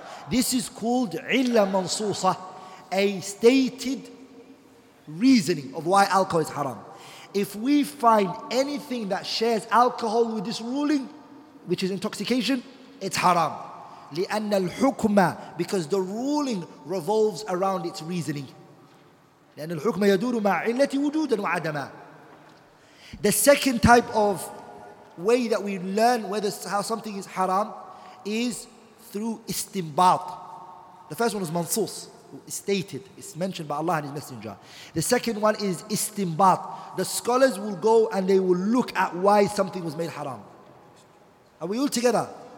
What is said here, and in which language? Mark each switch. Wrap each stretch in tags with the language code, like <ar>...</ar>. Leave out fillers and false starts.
<en>This is called illah mansusa, a stated reasoning of why alcohol is haram. If we find anything that shares alcohol with this ruling, which is intoxication, it's haram.</en> <ar>لأن الحكمة,</ar> <en>because the ruling revolves around its reasoning.</en> <ar>لأن الحكمة يدور مع علتي وجودا وعدما.</ar> <en>The second type of way that we learn whether how something is haram is through istinbat. The first one is mansus. Stated, it's mentioned by Allah and His Messenger. The second one is istinbat. The scholars will go and they will look at why something was made haram. Are we all together?</en>